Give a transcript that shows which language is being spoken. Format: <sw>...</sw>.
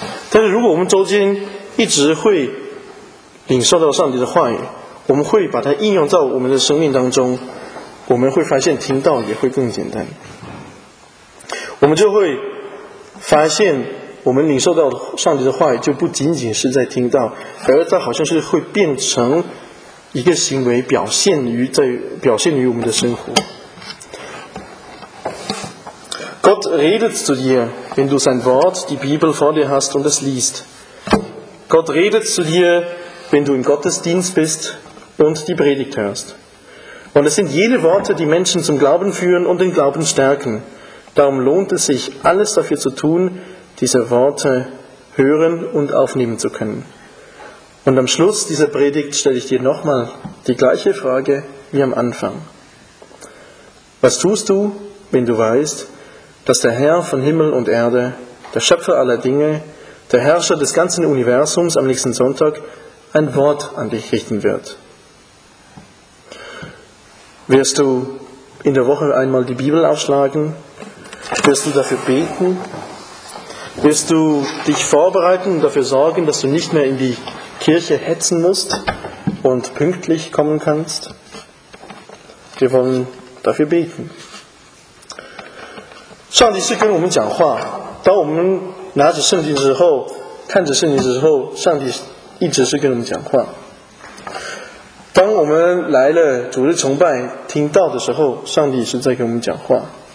<zh>但是如果我们周间一直会领受到上帝的话语，我们会把它应用到我们的生命当中，我们会发现听到也会更简单，我们就会发现我们领受到上帝的话语就不仅仅是在听到，而它好像是会变成一个行为，表现于我们的生活。</zh> <de>Gott redet zu dir, wenn du sein Wort, die Bibel vor dir hast und es liest. Gott redet zu dir, wenn du im Gottesdienst bist und die Predigt hörst. Und es sind jene Worte, die Menschen zum Glauben führen und den Glauben stärken. Darum lohnt es sich, alles dafür zu tun, diese Worte hören und aufnehmen zu können. Und am Schluss dieser Predigt stelle ich dir nochmal die gleiche Frage wie am Anfang. Was tust du, wenn du weißt, dass der Herr von Himmel und Erde, der Schöpfer aller Dinge, der Herrscher des ganzen Universums am nächsten Sonntag ein Wort an dich richten wird? Wirst du in der Woche einmal die Bibel aufschlagen? Wirst du dafür beten? Wirst du dich vorbereiten und dafür sorgen, dass du nicht mehr in die Kirche hetzen musst und pünktlich kommen kannst? Wir wollen dafür beten.</de> <zh>上帝是跟我们讲话，当我们拿着圣经之后，看着圣经之后，上帝一直是跟我们讲话。当我们来了主日崇拜听道的时候，上帝是在跟我们讲话。</zh>